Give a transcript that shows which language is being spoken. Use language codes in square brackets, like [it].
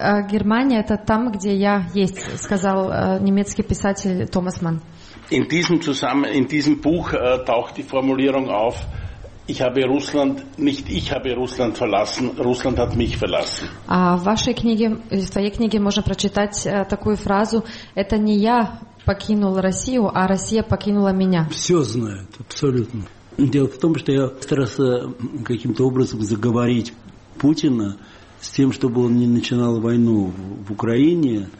[ru] Германия – это там, где я есть, сказал немецкий писатель Томас Манн. [de] In diesem Buch taucht die Formulierung auf, ich habe Russland, nicht ich habe Russland verlassen, Russland hat mich verlassen. [ru] А в вашей книге, в твоей книге можно прочитать такую фразу: это не я покинул Россию, а Россия покинула меня. Все знают, абсолютно. Дело в том, что я старался каким-то образом заговорить Путина с тем, чтобы он не начинал войну в Украине.